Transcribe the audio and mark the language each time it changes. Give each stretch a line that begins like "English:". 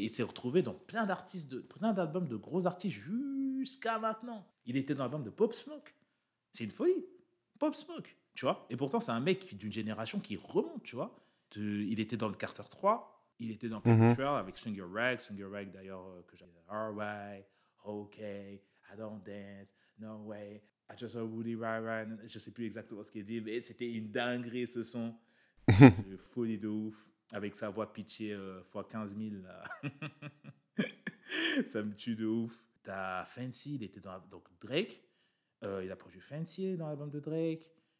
French: Il s'est retrouvé dans plein d'artistes, plein d'albums de gros artistes jusqu'à maintenant. Il était dans l'album de Pop Smoke. C'est une folie. Pop Smoke, tu vois. Et pourtant, c'est un mec d'une génération qui remonte, tu vois. Il était dans le Carter 3. Il était dans Paper Trail avec Sugar Ray d'ailleurs, que j'avais.
English: Alright, ok, I don't dance. No way, I just saw Woody Ryan.
French: Je sais plus exactement ce qu'il dit, mais c'était une dinguerie ce son. C'est une folie de ouf. Avec sa voix pitchée fois 15 000, ça me tue de ouf. T'as Fancy, il était donc Drake. Il a produit Fancy dans l'album de Drake.